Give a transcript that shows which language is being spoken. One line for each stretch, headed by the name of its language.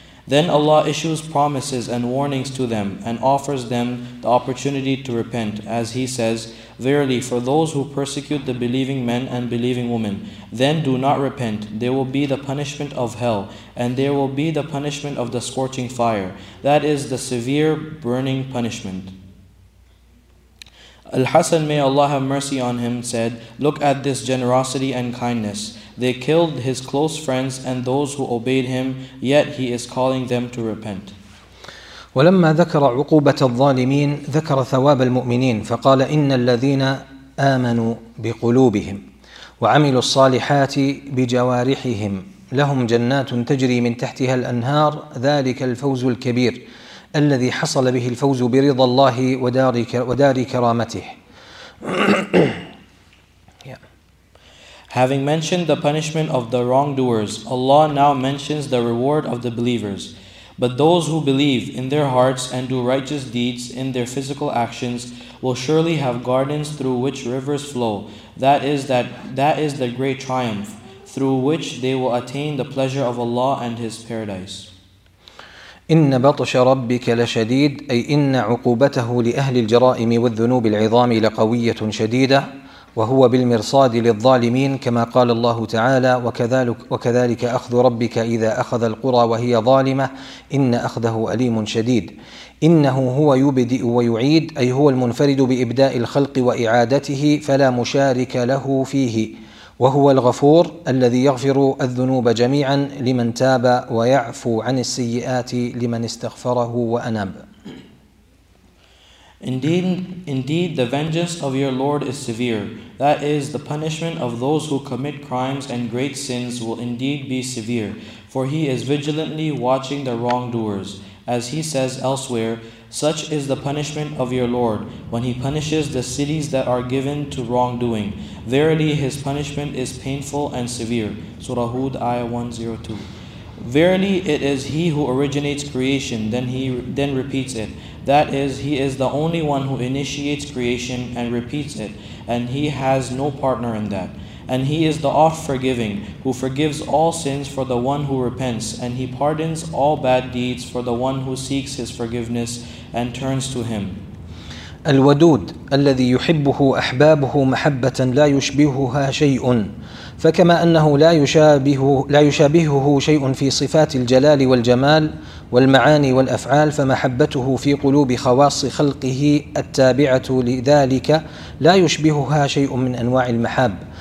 English: Then Allah issues promises and warnings to them and offers them the opportunity to repent, as He says, "Verily, for those who persecute the believing men and believing women, then do not repent, there will be the punishment of hell, and there will be the punishment of the scorching fire, that is the severe burning punishment." Al-Hasan, may Allah have mercy on him, said, "Look at this generosity and kindness. They killed his close friends and those who obeyed him, yet he is calling them to repent."
Arabic: ولما ذكر عقوبة الظالمين ذكر ثواب المؤمنين فقال إن الذين آمنوا بقلوبهم وعملوا الصالحات بجوارحهم لهم جنات تجري من تحتها الأنهار ذلك الفوز الكبير الذي حصل به الفوز برضا الله ودار كرامته.
English: Having mentioned the punishment of the wrongdoers, Allah now mentions the reward of the believers. But those who believe in their hearts and do righteous deeds in their physical actions will surely have gardens through which rivers flow. That is the great triumph through which they will attain the pleasure of Allah and His paradise.
Arabic: إن بطش ربك لشديد أي إن عقوبته لأهل الجرائم والذنوب العظام لقوية شديدة وهو بالمرصاد للظالمين كما قال الله تعالى وكذلك أخذ ربك إذا أخذ القرى وهي ظالمة إن أخذه أليم شديد إنه هو يبدئ ويعيد أي هو المنفرد بإبداء الخلق وإعادته فلا مشارك له فيه وهو الغفور الذي يغفر الذنوب جميعا لمن تاب ويعفو عن السيئات لمن استغفره وأناب.
English: Indeed, the vengeance of your Lord is severe. That is, the punishment of those who commit crimes and great sins will indeed be severe, for He is vigilantly watching the wrongdoers. As He says elsewhere, such is the punishment of your Lord when He punishes the cities that are given to wrongdoing. Verily, His punishment is painful and severe. Surah Hud, Ayah 102. Verily, it is He who originates creation, then repeats it. That is, He is the only one who initiates creation and repeats it, and He has no partner in that. And He is the oft-forgiving, who forgives all sins for the one who repents, and He pardons all bad deeds for the one who seeks His forgiveness and turns to Him.
Arabic: الودود الذي يحبه أحبابه محبة لا يشبهها شيء فكما أنه لا يشابهه شيء في صفات الجلال والجمال والمعاني والأفعال فمحبته في قلوب خواص خلقه التابعة لذلك لا يشبهها شيء من أنواع المحاب